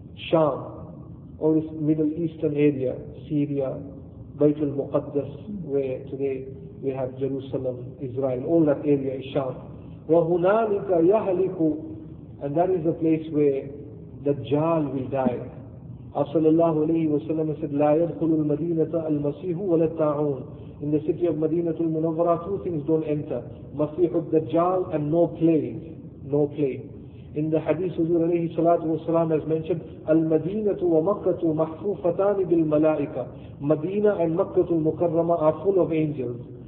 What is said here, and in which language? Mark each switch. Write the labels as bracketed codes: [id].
[en] Sham, or this Middle Eastern area, Syria, Bayt al-Muqaddas, where today we have Jerusalem, Israel, all that area is Sham. [ar] وَهُنَالِكَ يَهْلِكُ. [en] And that is the place where Dajjal will die. Sallallahu alayhi wa sallam said, [ar] لا يدخل المدينة المسيح ولا الطاعون. [en] In the city of Madinatul Munawwara, two things don't enter. Masih al-Dajjal and no plague. No plague. In the hadith, Huzur alayhi salatu wa sallam has mentioned, [ar] Al-Madinatu wa Makkatu mahfufatani bil malaika. [en] Madina and Makkatul Mukarrama are full of angels.